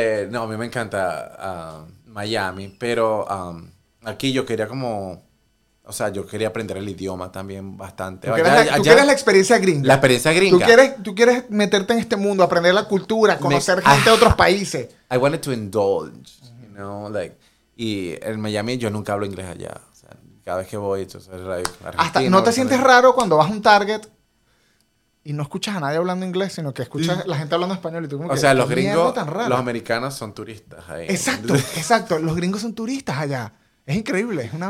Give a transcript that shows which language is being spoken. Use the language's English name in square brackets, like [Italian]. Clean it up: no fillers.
[Spanish] No, a mí me encanta Miami, pero... aquí yo quería como... O sea, yo quería aprender el idioma también bastante. ¿Tú quieres la experiencia gringa? La experiencia gringa. ¿Tú quieres meterte en este mundo, aprender la cultura, conocer gente de otros países? [English] I wanted to indulge, you know, like... [Spanish] Y en Miami yo nunca hablo inglés allá. O sea, cada vez que voy, entonces... Hasta, ¿no te sientes raro cuando vas a un Target y no escuchas a nadie hablando inglés, sino que escuchas a la gente hablando español y tú como que... O sea, los gringos, los americanos son turistas ahí. Exacto, exacto. Los gringos son turistas allá. Es increíble, es una